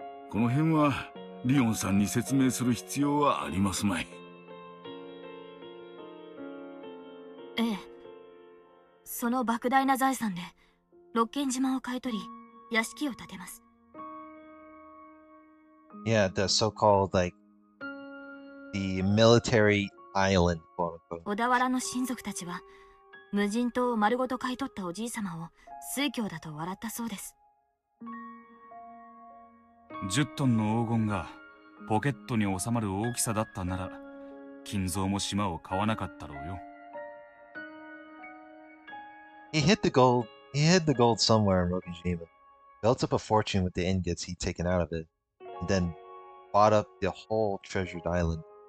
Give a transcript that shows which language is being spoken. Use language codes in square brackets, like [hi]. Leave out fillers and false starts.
[ja] この辺はリオンさんに説明する必要はありますまい。その莫大な財産で六軒島を買い取り、屋敷を建てます。 [en] Yeah, the so-called like the military island, quote unquote. [ja] 小田原の親族たちは無人島を丸ごと買い取ったおじい様を水郷だと笑ったそうです。 10トンの黄金がポケットに収まる大きさだったなら、金蔵も島を買わなかったろうよ。 [en] He hid the gold somewhere in Rokinjima, built up a fortune with the ingots he'd taken out of it, and then bought up the whole treasured island.